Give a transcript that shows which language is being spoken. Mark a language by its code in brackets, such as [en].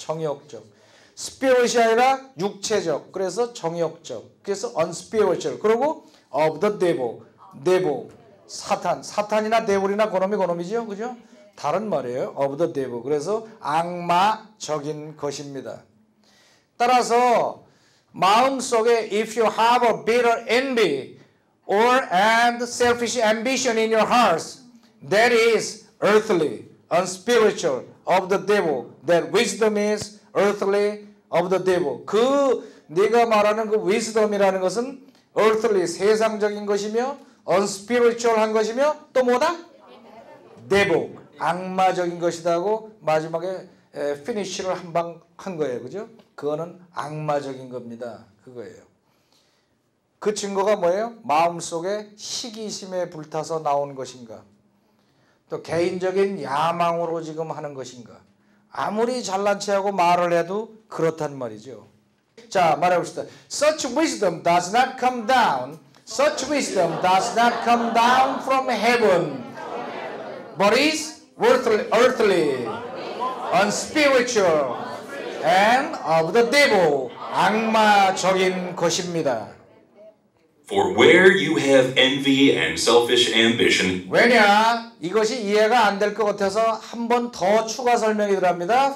[ko] 정욕적. Spirit이 아니라 육체적. 그래서 정욕적. 그래서 unspiritual. 그리고 [en] of the devil. [ko] devil. 사탄. 사탄이나 대물이나 고놈이 고놈이죠. 그죠? 다른 말이에요. [en] of the devil. [ko] 그래서 악마적인 것입니다. 따라서 마음속에 [en] if you have a bitter envy or and selfish ambition in your hearts, that is earthly, unspiritual of the devil. That wisdom is earthly of the devil. [ko] 그 네가 말하는 그 wisdom이라는 것은 earthly 세상적인 것이며 unspiritual한 것이며 또 뭐다? devil 악마적인 것이다고 마지막에 finish를 한방 한 거예요, 그죠? 그거는 악마적인 겁니다. 그거예요. 그 증거가 뭐예요? 마음속에 시기심에 불타서 나온 것인가? 또 개인적인 야망으로 지금 하는 것인가? 아무리 잘난 체하고 말을 해도 그렇단 말이죠. 자, 말해봅시다. [en] Such wisdom does not come down. Such wisdom does not come down from heaven. But is earthly, unspiritual. And of the devil, [ko] 악마적인 것입니다. [en] For where you have envy and selfish ambition. [ko] 왜냐? 이것이 이해가 안 될 것 같아서 한 번 더 추가 설명이 들어갑니다.